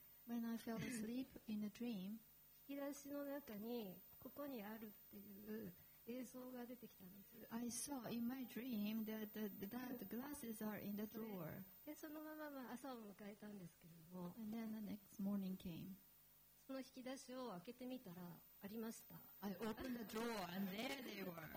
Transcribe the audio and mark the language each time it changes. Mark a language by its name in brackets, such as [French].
[English] When I fell asleep in a dream, [Japanese] 引き出しの中にここにあるっていう映像が出てきたんです。 [English] I saw in my dream that the glasses are in the drawer. [Japanese] で、そのまま朝を迎えたんですけれども、 [English] And then the next morning came. [Japanese] その引き出しを開けてみたらありました。 [English] I opened the drawer and there they were.